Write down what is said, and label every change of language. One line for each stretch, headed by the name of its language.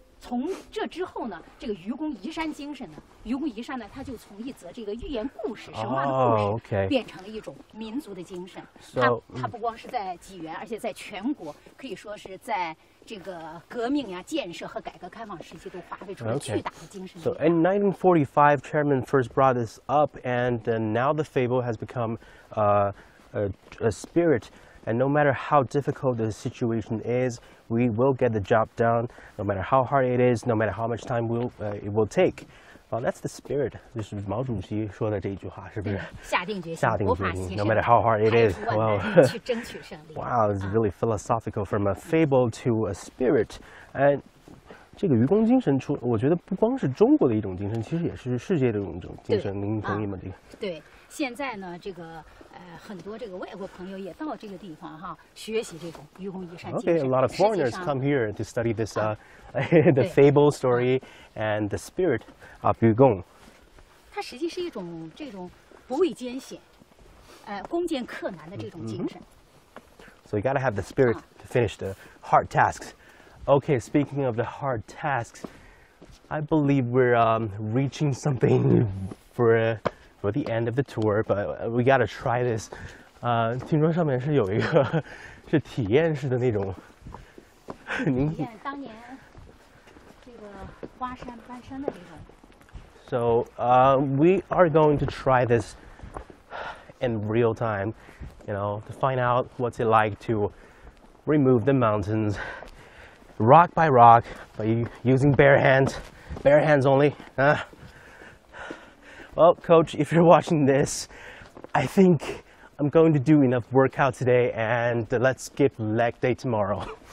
Chinese: 从这之后呢，这个愚公移山精神呢，愚公移山呢，它就从一则这个寓言故事、神话的故事，变成了一种民族的精神。它不光是在济源，而且在全国，可以说是在这个革命呀、建设和改革开放时期都发挥出了巨大的精神。
English: So in 1945, Chairman first brought this up, and now the fable has become a spirit. And no matter how difficult the situation is, we will get the job done. No matter how hard it is, no matter how much time it will take. Well, that's the spirit.
Chinese: 就是毛主席说的这句话，是不是？下定决心，不怕牺牲。
English: No matter how hard it is,
Chinese: well, 去争取胜利。
English: Wow, it's really philosophical from a fable to a spirit.
Chinese: And 这个愚公精神出，我觉得不光是中国的一种精神，其实也是世界的一种精神。您同意吗？这个？对。现在呢，这个很多这个外国朋友也到这个地方哈，学习这种愚公移山精神。
English: Okay, a lot of foreigners come here to study this, the fable story and the spirit of 愚公。
Chinese: 它实际是一种这种不畏艰险，攻坚克难的这种精神。
English: So you gotta have the spirit to finish the hard tasks. Okay, speaking of the hard tasks, I believe we're reaching something for the end of the tour, but we gotta try this.
Chinese: 听说上面是有一个是体验式的那种。体验当年这个挖山搬山的这种。
English: So, we are going to try this in real time, you know, to find out what's it like to remove the mountains rock by rock, but using bare hands only, Well, coach, if you're watching this, I think I'm going to do enough workout today and let's skip leg day tomorrow.